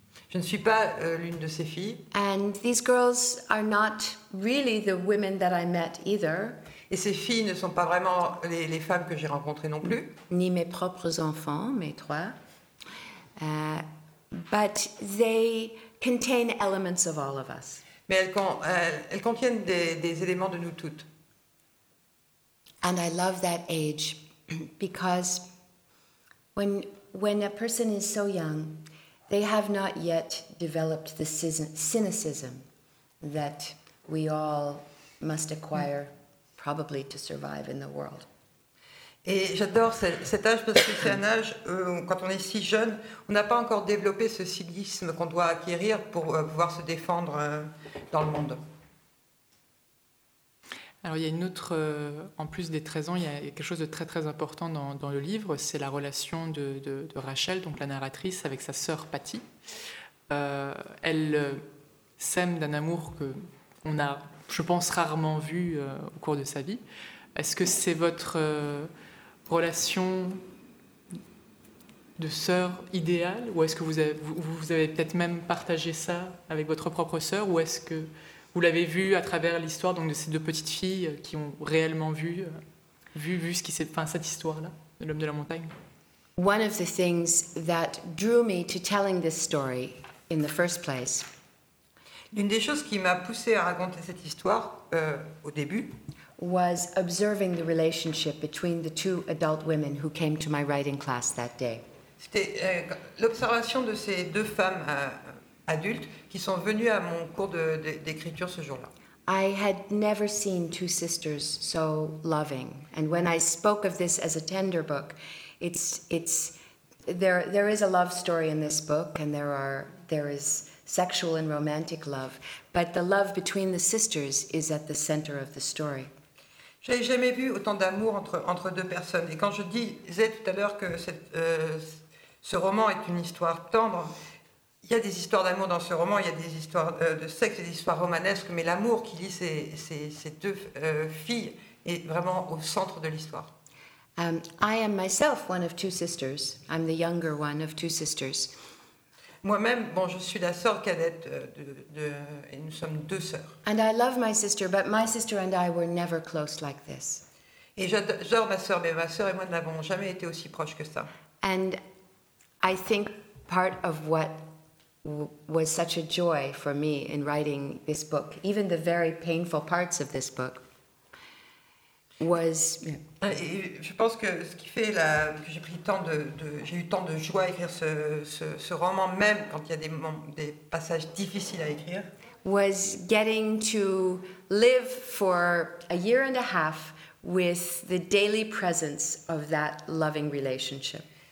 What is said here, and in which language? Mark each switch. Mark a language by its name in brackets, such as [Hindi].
[French] Je ne suis pas l'une de ces filles. [English] And these girls are not really the women that I met either. [French] Et ces filles ne sont pas vraiment les femmes que j'ai rencontrées non plus. Ni mes propres enfants, mes trois. [English] But they contain elements of all of us. [French] Mais elles contiennent des éléments de nous toutes. [English] And I love that age because when a person is so young, they have not yet developed the cynicism that we all must acquire, probably to survive in the world. [French] Et j'adore cet âge parce que c'est un âge quand on est si jeune, on n'a pas encore développé ce cynisme qu'on doit acquérir pour pouvoir se défendre dans le monde. Alors il y a une autre, en plus des 13 ans, il y a quelque chose de très très important dans le livre, c'est la relation de Rachel, donc la narratrice, avec sa sœur Patty. Elle s'aime d'un amour qu'on a, je pense, rarement vu au cours de sa vie. Est-ce que c'est votre relation de sœur idéale, ou est-ce que vous avez peut-être même partagé ça avec votre propre sœur, ou est-ce que Vous l'avez vu à travers l'histoire donc, de ces deux petites filles qui ont réellement vu ce qui s'est, enfin, cette histoire-là, de l'homme de la montagne. [English] One of the things that drew me to telling this story in the first place. [French] L'une des choses qui m'a poussée à raconter cette histoire au début [English] was observing the relationship between the two adult women who came to my writing class that day. [French] C'était l'observation de ces deux femmes adultes qui sont venues à mon cours d'écriture ce jour-là. [English] I had never seen two sisters so loving, and when I spoke of this as a tender book, there is a love story in this book, and there is sexual and romantic love, but the love between the sisters is at the center of the story. [French] J'ai jamais vu autant d'amour entre deux personnes, et quand je disais tout à l'heure que ce roman est une histoire tendre. Il y a des histoires d'amour dans ce roman, il y a des histoires de sexe, des histoires romanesques, mais l'amour qui lie ces deux filles est vraiment au centre de l'histoire. [English] I am myself one of two sisters. I'm the younger one of two sisters. [French] Moi-même, bon, je suis la sœur cadette et nous sommes deux sœurs. [English] And I love my sister, but my sister and I were never close like this. [French] Et j'adore ma sœur, mais ma sœur et moi n'avons jamais été aussi proches que ça. [English] And I think part of what was such a joy for me in writing this book, even the very painful parts of this book, was. [French] Je pense que ce qui fait que j'ai pris tant de joie à écrire ce roman, même quand il y a des passages difficiles à écrire, [English] was getting to live for a year and a half with the daily presence of that loving relationship.